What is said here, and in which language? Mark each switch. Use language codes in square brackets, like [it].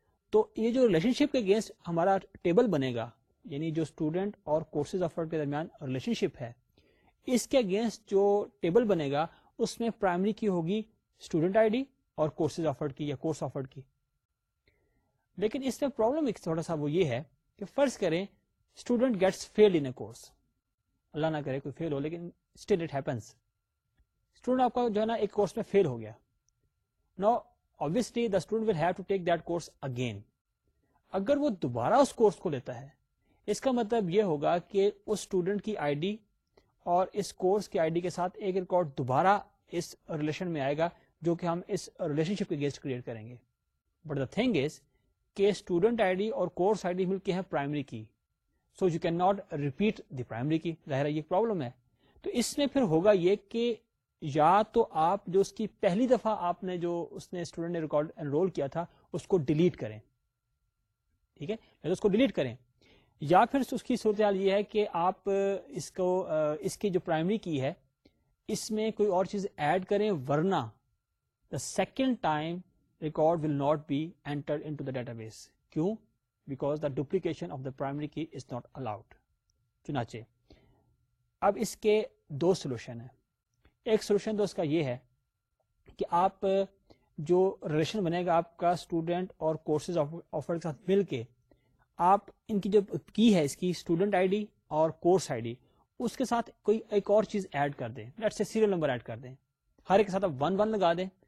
[ur] تو یہ جو ریلیشن شپ کے اگینسٹ ہمارا ٹیبل بنے گا, یعنی جو اسٹوڈنٹ اور کورسز آفرڈ کے درمیان ریلیشن شپ ہے, اس کے اگینسٹ جو ٹیبل بنے گا اس میں پرائمری کی ہوگی اسٹوڈنٹ آئی ڈی اور کورسز آفرڈ کی یا کورس آفرڈ کی. لیکن اس میں پرابلم ایک تھوڑا سا وہ یہ ہے کہ فرض کریں [en] student gets fail in a course, [ur] اللہ نہ کرے کوئی فیل ہو لیکن [en] still it happens, [ur] اسٹوڈنٹ آپ کا جو ہے نا ایک کورس میں فیل ہو گیا. [en] Now obviously the student will have to take that course again. [ur] اگر وہ دوبارہ اس کورس کو لیتا ہے اس کا مطلب یہ ہوگا کہ اس اسٹوڈنٹ کی آئی ڈی اور اس کورس کی آئی ڈی کے ساتھ ایک ریکارڈ دوبارہ اس ریلیشن میں آئے گا جو کہ ہم اس ریلیشن شپ کے گیسٹ کریٹ کریں گے. [en] but the thing is [ur] کہ اسٹوڈنٹ آئی ڈی اور کورس آئی ڈی مل کے ہیں primary key, [en] so you can not repeat the primary key, [ur] ظاہر ہے یہ پرابلم ہے. تو اس میں پھر ہوگا یہ کہ یا تو آپ جو اس کی پہلی دفعہ آپ نے جو اس نے اسٹوڈنٹ نے ریکارڈ انرول کیا تھا اس کو ڈیلیٹ کریں, ٹھیک ہے, یا اس کو ڈیلیٹ کریں, یا پھر اس کی صورتحال یہ ہے کہ آپ اس کو اس کی جو پرائمری کی ہے اس میں کوئی اور چیز ایڈ کریں, ورنہ [en] The second time record will not be entered into the database. کیوں؟ Because the duplication of the primary key is not allowed. [ur] چنانچہ اب اس کے دو سولوشن ہیں. ایک سولوشن تو اس کا یہ ہے کہ آپ جو ریلیشن بنے گا آپ کا اسٹوڈنٹ اور کورسز آفر کے ساتھ مل کے, آپ ان کی جو کی ہے اس کی اسٹوڈنٹ آئی ڈی اور کورس آئی ڈی اس کے ساتھ کوئی ایک اور چیز ایڈ کر دیں, [en] let's say [ur] serial number add کر دیں, ہر ایک کے ساتھ آپ ون ون لگا دیں.